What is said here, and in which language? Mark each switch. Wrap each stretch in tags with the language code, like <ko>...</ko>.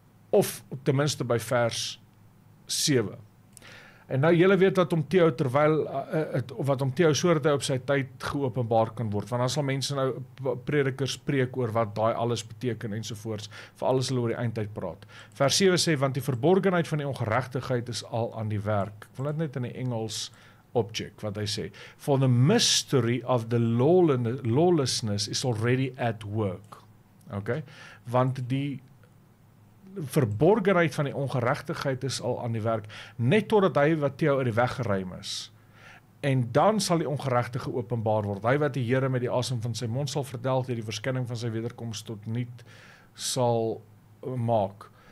<af>Of ten minste by vers 7. En nou julle weet wat om te hou sodat hy op sy tyd geopenbaar kan word. Want dan sal mense nou predikers spreek oor wat daai alles beteken ensovoorts, vir alles hulle oor die eindtyd praat. Vers 7 sê, want die verborgenheid van die ongeregtigheid is al aan die werk. Ek wil dit net in die Engels opjek wat hy sê.</af> <en>For the mystery of the lawlessness is already at work. Okay?</en> <af>Want die verborgenheid van die ongeregtigheid is al aan die werk, net totdat hy wat te jou uit die weg geruim is. En dan sal die ongeregtige openbaar word. Hy wat die Here met die asem van sy mond sal verdel, die verskynning van sy wederkomst tot niet sal maak.</af>